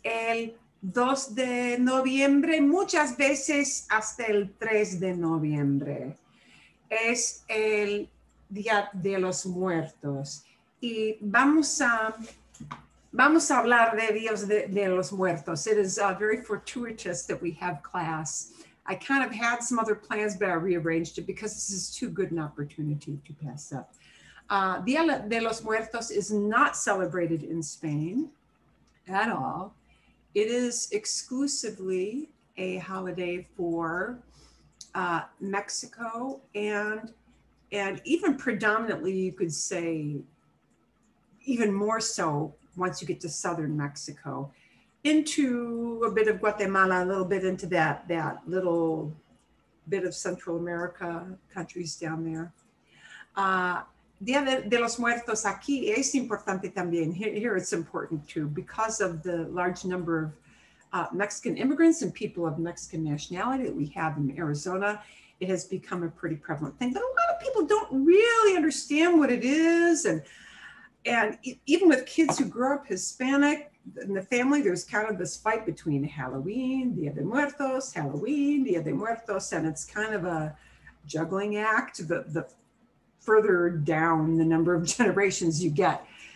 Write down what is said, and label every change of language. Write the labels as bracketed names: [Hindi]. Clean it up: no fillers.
[Spanish] El 2 de noviembre, muchas veces hasta el 3 de noviembre. Es el Día de los Muertos. Y vamos a hablar de Dios de los Muertos. [English] It is very fortuitous that we have class. I kind of had some other plans, but I rearranged it because this is too good an opportunity to pass up. Día de los Muertos is not celebrated in Spain at all. It is exclusively a holiday for Mexico and even predominantly, you could say, even more so once you get to southern Mexico, into a bit of Guatemala, a little bit into that little bit of Central America countries down there. [Spanish] Día de los Muertos aquí es importante también. [English] Here it's important too, because of the large number of Mexican immigrants and people of Mexican nationality that we have in Arizona, it has become a pretty prevalent thing. But a lot of people don't really understand what it is. And even with kids who grew up Hispanic in the family, there's kind of this fight between Halloween, Día de Muertos, Halloween, Día de Muertos, and it's kind of a juggling act the further down the number of generations you get.